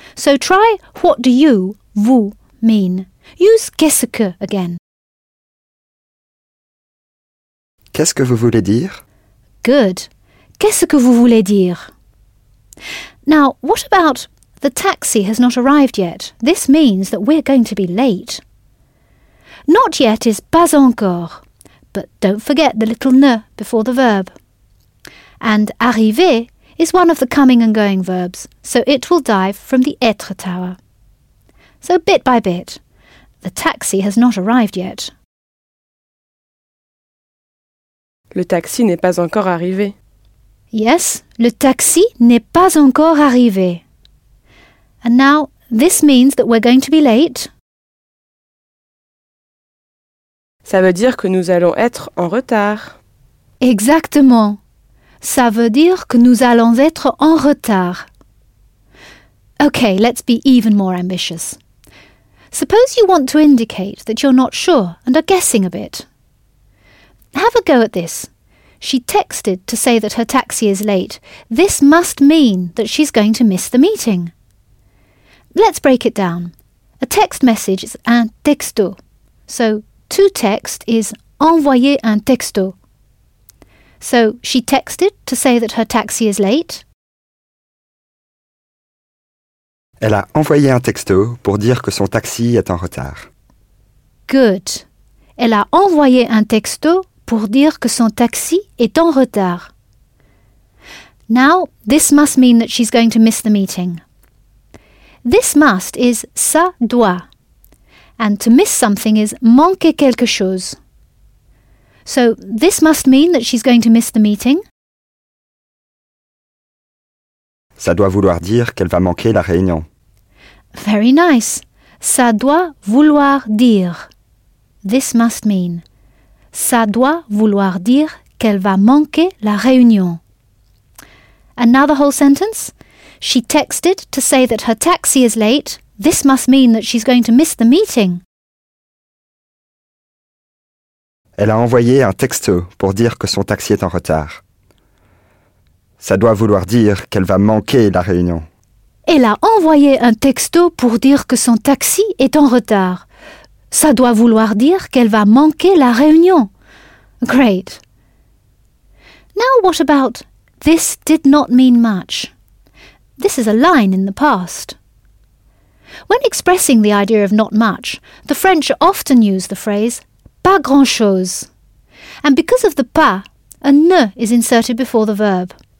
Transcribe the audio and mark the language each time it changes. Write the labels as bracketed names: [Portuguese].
[English] So try what do you, vous, mean. Use [French] qu'est-ce que [English] again. [French] Qu'est-ce que vous voulez dire? [English] Good. [French] Qu'est-ce que vous voulez dire? [English] Now, what about the taxi has not arrived yet? This means that we're going to be late. Not yet is [French] pas encore. [English] But don't forget the little ne before the verb. And arriver is one of the coming and going verbs, so it will dive from the être tower. So bit by bit, the taxi has not arrived yet. [French] Le taxi n'est pas encore arrivé. [English] Yes, [French] le taxi n'est pas encore arrivé. [English] And now, this means that we're going to be late. [French] Ça veut dire que nous allons être en retard. Exactement. Ça veut dire que nous allons être en retard. [English] Okay, let's be even more ambitious. Suppose you want to indicate that you're not sure and are guessing a bit. Have a go at this. She texted to say that her taxi is late. This must mean that she's going to miss the meeting. Let's break it down. A text message is [French] un texto. [English] So, to text is [French] envoyer un texto. [English] So, she texted to say that her taxi is late. [French] Elle a envoyé un texto pour dire que son taxi est en retard. [English] Good. [French] Elle a envoyé un texto pour dire que son taxi est en retard. [English] Now, this must mean that she's going to miss the meeting. This must is [French] ça doit. [English] And to miss something is [French] manquer quelque chose. [English] So, this must mean that she's going to miss the meeting. [French] Ça doit vouloir dire qu'elle va manquer la réunion. [English] Very nice. [French] Ça doit vouloir dire. [English] This must mean. [French] Ça doit vouloir dire qu'elle va manquer la réunion. [English] Another whole sentence. She texted to say that her taxi is late. This must mean that she's going to miss the meeting. [French] Elle a envoyé un texto pour dire que son taxi est en retard. Ça doit vouloir dire qu'elle va manquer la réunion. Elle a envoyé un texto pour dire que son taxi est en retard. Ça doit vouloir dire qu'elle va manquer la réunion. [English] Great. Now what about this did not mean much? This is a line in the past. When expressing the idea of not much, the French often use the phrase [French] pas grand-chose. [English] And because of the pas, a ne is inserted before the verb.